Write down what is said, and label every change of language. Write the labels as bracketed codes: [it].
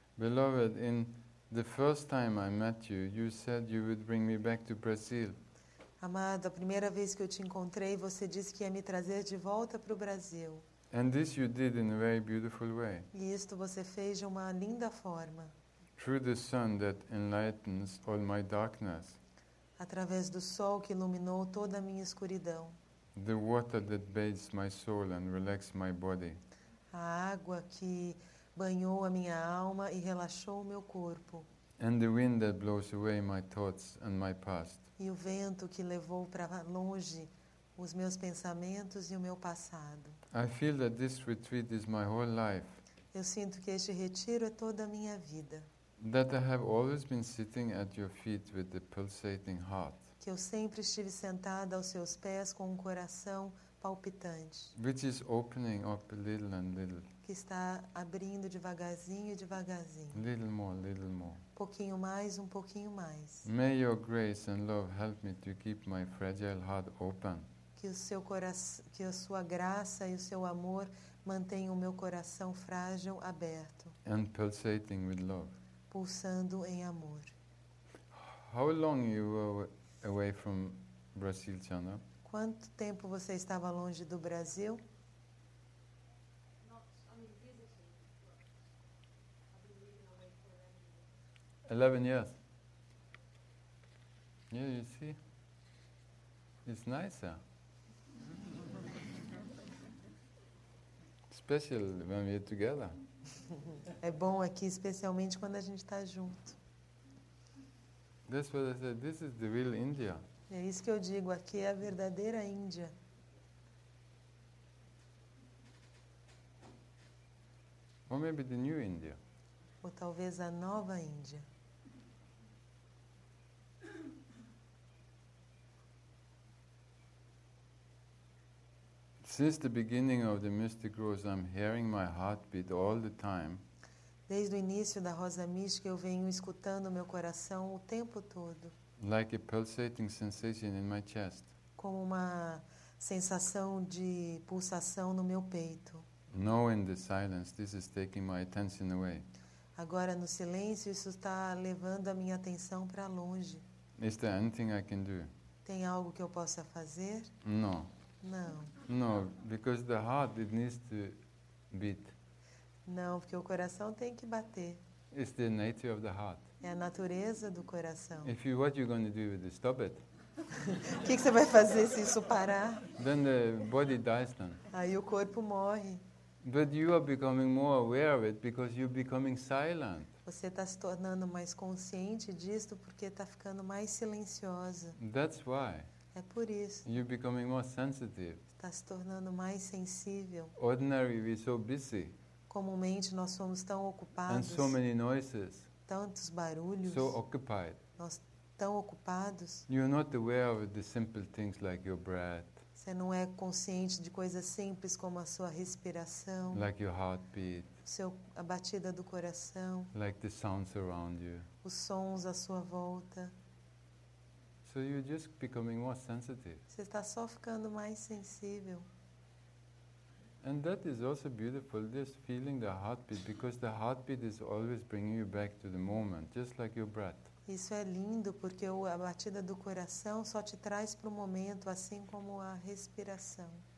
[en] Beloved, in the first time I met you, you said you would bring me back to Brazil. [pt] Amado, a primeira vez que eu te encontrei, você disse que ia me trazer de volta para o Brasil. [en] And this you did in a very beautiful way. [pt] E isto você fez de uma linda forma. [en] Through the sun that enlightens all my darkness. [pt] Através do sol que iluminou toda a minha escuridão. [en] The water that bathes my soul and relaxes my body. [pt] A água que banhou a minha alma e relaxou o meu corpo. [en] And the wind that blows away my thoughts and my past. [pt] E o vento que levou para longe os meus pensamentos e o meu passado. [en] I feel that this retreat is my whole life. [pt] Eu sinto que este retiro é toda a minha vida. [en] That I have always been sitting at your feet with the pulsating heart. [pt] Que eu sempre estive sentada aos seus pés com um coração palpitante. [en] Which is opening up little and little. [pt] Que está abrindo devagarzinho e devagarzinho. [en] Little more, little more. [pt] Pouquinho mais, um pouquinho mais. [en] May your grace and love help me to keep my fragile heart open. [pt] Que o seu coração, que a sua graça e o seu amor mantenham o meu coração frágil aberto. [en] And pulsating with love. [pt] Pulsando em amor. [en] How long you were away from Brazil, Chana? [pt] Quanto tempo você estava longe do Brasil? [en] Eleven years. Yeah, you see. It's nicer. Especially when we're together. [pt] É bom aqui, especialmente quando a gente está junto. [en] That's what I said. This is the real India. [pt] É isso que eu digo, aqui é a verdadeira Índia. [en] Or maybe the new India. [pt] Ou talvez a nova Índia. [en] Since the beginning of the mystic rose, I'm hearing my heart beat all the time. [pt] Desde o início da rosa mística, eu venho escutando meu coração o tempo todo. [en] Like a pulsating sensation in my chest. [pt] Como uma sensação de pulsação no meu peito. [en] Knowing the silence, this is taking my attention away. [pt] Agora no silêncio, isso está levando a minha atenção para longe. [en] Is there anything I can do? [pt] Tem algo que eu possa fazer? [en] No. [pt] Não. [en] No, because the heart it needs to beat. [pt] Não, porque o coração tem que bater. [en] It's the nature of the heart. [pt] É a natureza do coração. [en] If you, what you're going to do with it, stop it. [pt] O que você vai fazer se isso parar? [en] Then the body dies then. [pt] Aí o corpo morre. [en] But you are becoming more aware of it because you're becoming silent. [pt] Você está se tornando mais consciente disto porque está ficando mais silenciosa. [en] That's why. [pt] É por isso. [en] You're becoming more sensitive. [pt] Está se tornando mais sensível. [en] Ordinary, we're so busy. [pt] Comumente nós somos tão ocupados. [en] And so many noises. [pt] Tantos barulhos. [en] So occupied. [pt] Nós tão ocupados. [en] You're not aware of the simple things like your breath. [pt] Você não é consciente de coisas simples como a sua respiração. [en] Like your heartbeat. [pt] Seu, a batida do coração. [en] Like the sounds around you. [pt] Os sons à sua volta. [en] So you're just becoming more sensitive. [pt] Você está só ficando mais sensível. [en] And that is also beautiful, just feeling the heartbeat, because the heartbeat is always bringing you back to the moment, just like your breath. [pt] Isso é lindo, porque a batida do coração só te traz para o momento, assim como a respiração.